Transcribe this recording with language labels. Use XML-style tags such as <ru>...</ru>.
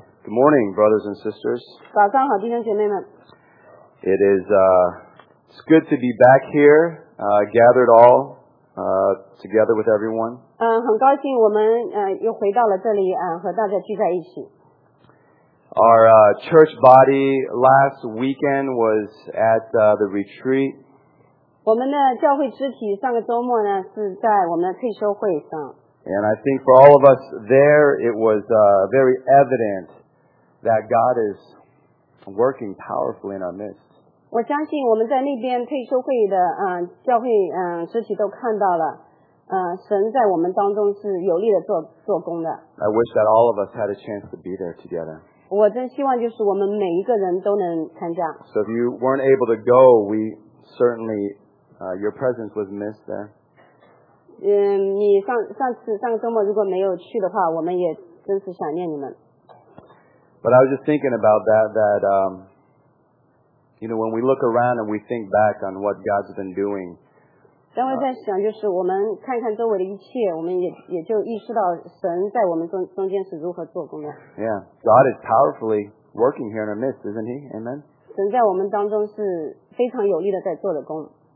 <en>Good morning, brothers and sisters.</en> <zh>早上好，弟兄姐妹们。</zh> <en>It is it's good to be back here, gathered all together with everyone.</en> <zh>很高兴我们又回到了这里和大家聚在一起。</zh> <en>Our church body last weekend was at the retreat.</en> <zh>我们的教会肢体上个周末呢是在我们的退休会上。</zh> <en>And I think for all of us there, it was very evident. That God is working powerfully in our midst.</en> <zh>我相信我们在那边退休会的教会肢体都看到了神在我们当中是有力的做工的。</zh> <en>I wish that all of us had a chance to be there together.</en> <zh>我真希望就是我们每一个人都能参加。</zh> <en>So if you weren't able to go, we certainly, your presence was missed there.</en> <zh>你上个周末如果没有去的话，我们也真是想念你们。</zh> <en>But I was just thinking about that, you know, when we look around and we think back on what God's been doing.</en> <zh>当我在想，就是我们看看周围的一切，我们也就意识到神在我们中间是如何做工的。</zh> <en>Yeah, God is powerfully working here in our midst, isn't He? Amen.</en> <zh>神在我们当中是非常有力的在做的工。</zh>